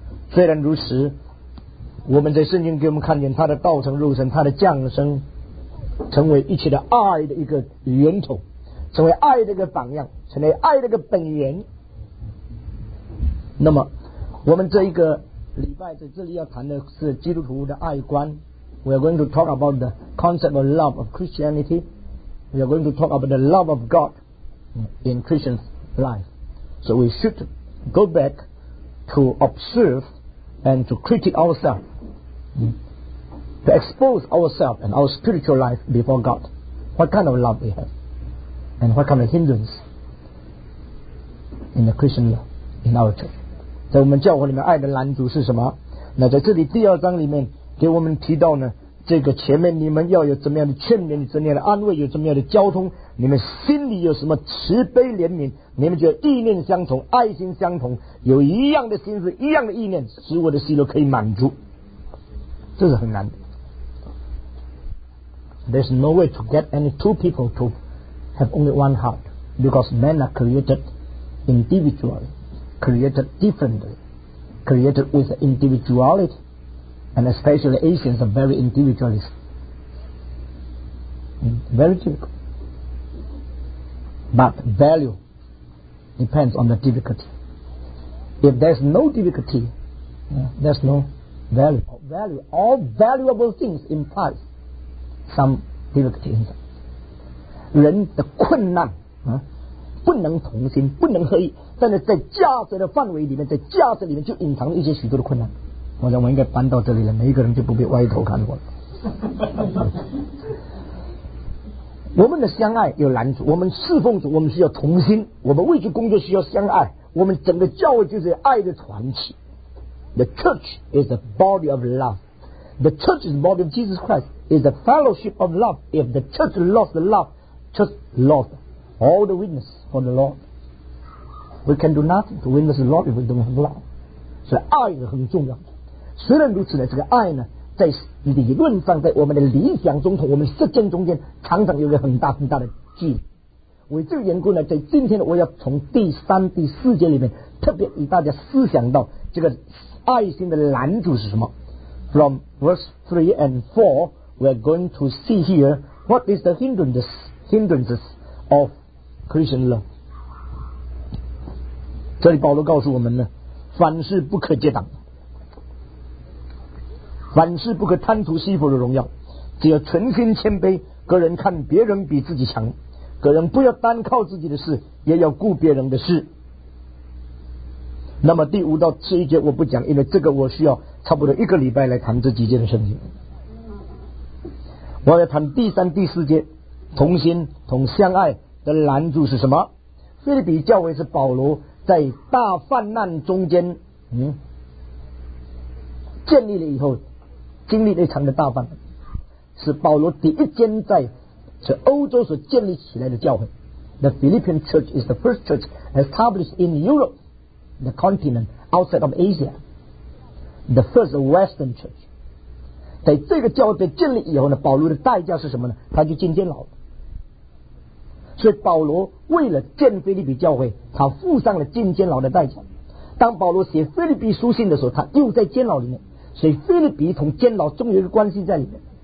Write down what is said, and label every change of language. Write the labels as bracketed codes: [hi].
[zh] 虽然如此，我们在圣经给我们看见他的道成肉身，他的降生成为一切的爱的一个源头，成为爱的一个榜样，成为爱的一个本源。那么我们这一个礼拜在这里要谈的是基督徒的爱观。 [en] We are going to talk about the concept of love of Christianity. We are going to talk about the love of God in Christian's life. So we should go back to observe and to critique ourselves, to expose ourselves and our spiritual life before God. What kind of love we have? and what kind of hindrance in the Christian love, in our church. [zh] 在我们教会里面爱的拦阻是什么？那在这里第二章里面给我们提到呢，这个前面你们要有怎么样的劝勉，怎么样的安慰，有怎么样的交通，你们心里有什么慈悲怜悯，你们就意念相同，爱心相同，有一样的心思，一样的意念，使我的喜乐可以满足。这是很难的。 [en] There's no way to get any two people to have only one heart, because men are created individually, created differently, created with individualityAnd especially Asians are very individualist. Very difficult. But value depends on the difficulty. If there's no difficulty, there's no value. Value, all valuable things implies some difficulty in them. [zh] 人的困难不能同心，不能合一，但是在价值的范围里面，在价值里面就隐藏了一些许多的困难。我想我应该搬到这里了，每一个人就不必歪头看我了。我们的相爱有拦阻，我们侍奉主，我们需要同心，我们为主工作需要相爱，我们整个教会就是爱的传奇。 [en] The church is the body of love. The church is the body of Jesus Christ. Is the fellowship of love. If the church lost the love, church lost all the witness for the Lord. We can do nothing to witness the Lord if we don't have love. [zh] 所以爱是很重要的。虽然如此呢，这个爱呢，在理论上，在我们的理想中同我们实践中间，常常有一个很大很大的距离。为这个缘故呢，在今天我要从第三、第四节里面特别与大家思想到这个爱心的拦阻是什么。 [en] From verse 3 and 4, we are going to see here what is the hindrances of Christian love. [zh] 这里保罗告诉我们呢，凡事不可结党。凡事不可贪图西弗的荣耀，只要存心谦卑，个人看别人比自己强，个人不要单靠自己的事，也要顾别人的事。那么第五到七节我不讲，因为这个我需要差不多一个礼拜来谈这几节的圣经。我要谈第三、第四节，同心同相爱的拦阻是什么？菲律比教会是保罗在大患难中间，建立了以后。经历了一场的大患难，是保罗第一间在是欧洲所建立起来的教会。 [en] The Philippian church is the first church established in Europe, the continent outside of Asia, the first western church. [zh] 在这个教会被建立以后呢，保罗的代价是什么呢？他就进监牢。所以保罗为了建菲律比教会，他付上了进监牢的代价。当保罗写菲律比书信的时候，他又在监牢里面，所以菲律比同监牢中有一个关系在里面。